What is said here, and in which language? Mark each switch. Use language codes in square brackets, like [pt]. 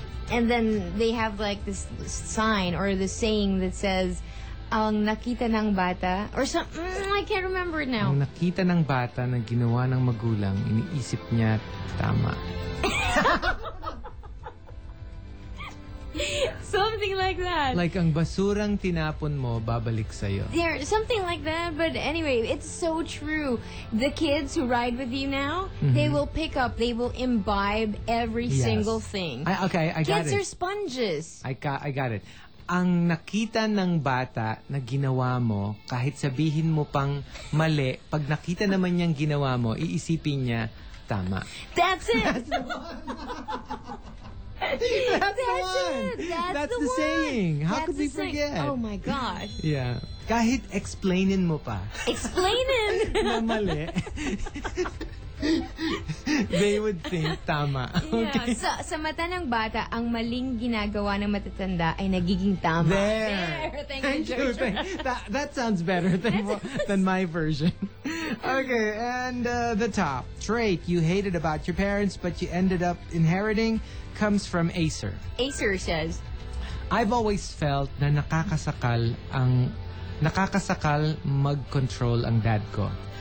[en] And then they have like this sign or the saying that says, [tl] ang nakita ng bata, [en] or something. I can't remember it now. [tl] Ang nakita ng bata na ginawa ng magulang, iniisip niya tama. [en] Something like that. [tl] Like, ang basurang tinapon mo, babalik sa'yo. [en] There, something like that. But anyway, it's so true. The kids who ride with you now, mm-hmm. they will pick up, they will imbibe every yes. single thing. I got it. Kids are sponges. I got it. [tl] Ang nakita ng bata na ginawa mo, kahit sabihin mo pang mali, pag nakita naman niyang ginawa mo, iisipin niya, tama. [en] That's it! That's the saying. How could we forget? Oh my gosh. [tl] Yeah. Kahit explainin mo pa. Explainin! Na mali. [en] They would think tama. Okay. Yeah. [tl] Sa mata ng bata, ang maling ginagawa ng matatanda ay nagiging tama. [en] There. Thank you. That sounds better than my version. Okay, and the top trait you hated about your parents but you ended up inheriting comes from Acer. Acer says, I've always felt [tl] na nakakasakal mag-control ang dad ko.